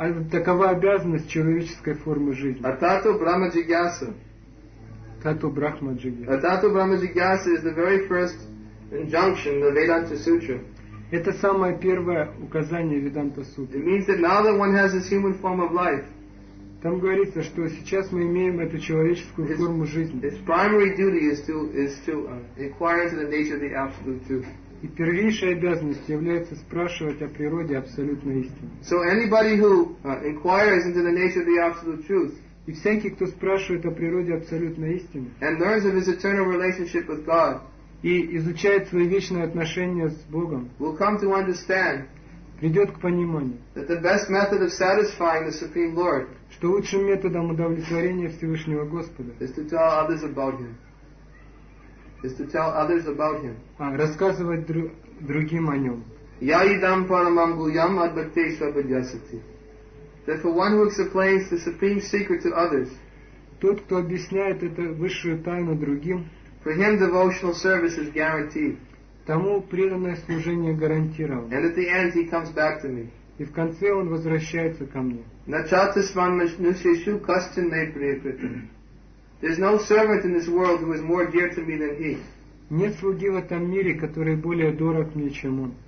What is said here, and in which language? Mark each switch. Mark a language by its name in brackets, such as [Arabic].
[Russian] Такова обязанность человеческой формы жизни. [Sanskrit] Атату брахма джигьяса. [English] Atato Brahma Jigyasa is the very first injunction of Vedanta Sutra. [Russian] Это самое первое указание Веданта Сутры. [English] It means that now that one has this human form of life. [Russian] Там говорится, что сейчас мы имеем эту человеческую форму жизни. [English] Its primary duty is to inquire into the nature of the absolute truth. [Russian] И первейшей обязанностью является спрашивать о природе абсолютной истины. [English] So anybody who inquires into the nature of the absolute truth. [Russian] И всякий, кто спрашивает о природе абсолютной истины, [English] and learns of his eternal relationship with God, [Russian] и изучает свои вечные отношения с Богом, [English] will come to understand, [Russian] придет к пониманию, [English] that the best method of satisfying the Supreme Lord, [Russian] что лучшим методом удовлетворения Всевышнего Господа, [English] is to tell others about Him. is to tell others about him. [Russian] Рассказывать другим о нем. [Sanskrit] Я идам парамангуям адбхакте свабхадьясати. [English] Therefore, one who explains the supreme secret to others, [Russian] тот, кто объясняет эту высшую тайну другим, [English] for him devotional service is guaranteed. [Russian] Тому преданное служение гарантировано. [English] And at the end, he comes back to me. [Russian] И в конце он возвращается ко мне. [English] There's no servant in this world who is more dear to me than he. [Russian] Нет слуги в этом мире, который более дорог мне, чем он.